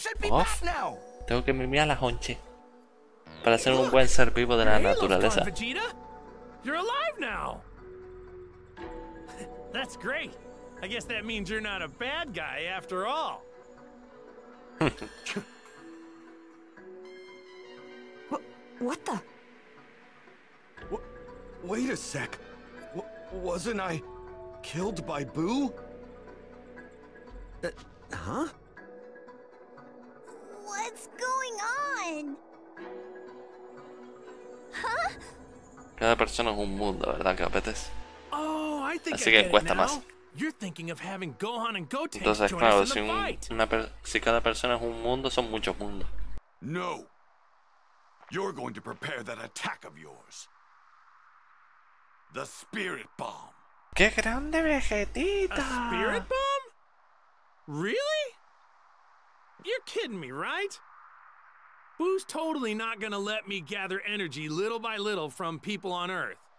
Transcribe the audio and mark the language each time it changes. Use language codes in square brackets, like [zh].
[es] Uf, tengo que mimir a la honche para ser un buen ser vivo de la naturaleza. [en] You're alive now. That's great. I guess that means you're not a bad guy after all. What the? Wait a sec. Wasn't I killed by Boo? Huh? What's going on? [es] Huh? Cada persona es un mundo, ¿verdad, Capetes? [en] Oh, I think I get it now. You're thinking of having Gohan and Goten join us in the fight. [es] Entonces, claro, si cada persona es un mundo, son muchos mundos. [en] No. You're going to prepare that attack of yours. The Spirit Bomb. [es] ¡Qué grande, Vegetita! [en] A Spirit Bomb? Really? You're kidding me, right? Boo's totally not gonna let me gather energy little by little from people on Earth.